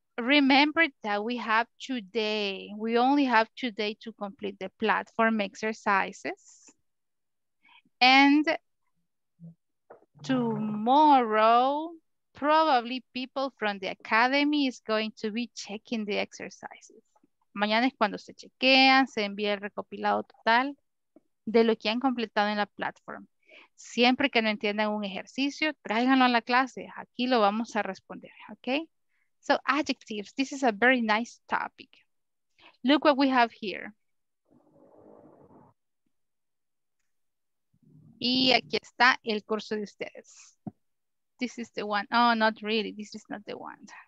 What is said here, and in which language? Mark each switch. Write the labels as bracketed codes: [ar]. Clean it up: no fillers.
[en] Remember that we have today. We only have today to complete the platform exercises. And tomorrow, probably people from the academy is going to be checking the exercises. [es] Mañana es cuando se chequean, se envía el recopilado total de lo que han completado en la platform. Siempre que no entiendan un ejercicio, tráiganlo a la clase. Aquí lo vamos a responder, okay? [en] So adjectives, this is a very nice topic. Look what we have here. [es] Y aquí está el curso de ustedes. [en] This is the one. Oh, not really, this is not the one.